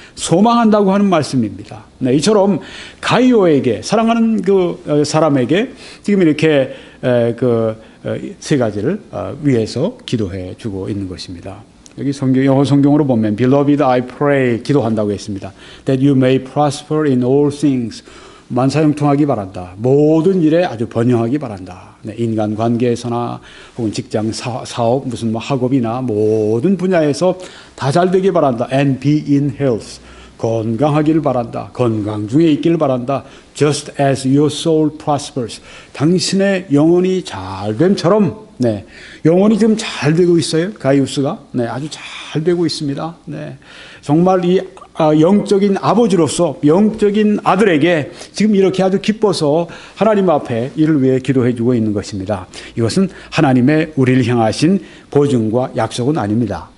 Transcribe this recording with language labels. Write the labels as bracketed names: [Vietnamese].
[Korean] 소망한다고 하는 말씀입니다. 네, 이처럼 가이오에게, 사랑하는 그 사람에게 지금 이렇게 그 세 가지를 위해서 기도해 주고 있는 것입니다. 여기 성경, 영어 성경으로 보면 [English] Beloved, I pray, [Korean] 기도한다고 했습니다. [English] That you may prosper in all things, [Korean] 만사형통하기 바란다. 모든 일에 아주 번영하기 바란다. 네, 인간 관계에서나 혹은 직장 사업 무슨 뭐 학업이나 모든 분야에서 다 잘 되길 바란다. [English] And be in health, [Korean] 건강하기를 바란다. 건강 중에 있기를 바란다. [English] Just as your soul prospers, [Korean] 당신의 영혼이 잘 됨처럼. 네, 영혼이 지금 잘 되고 있어요, 가이우스가. 네, 아주 잘 되고 있습니다. 네, 정말 이 영적인 아버지로서 영적인 아들에게 지금 이렇게 아주 기뻐서 하나님 앞에 이를 위해 기도해 주고 있는 것입니다. 이것은 하나님의 우리를 향하신 보증과 약속은 아닙니다.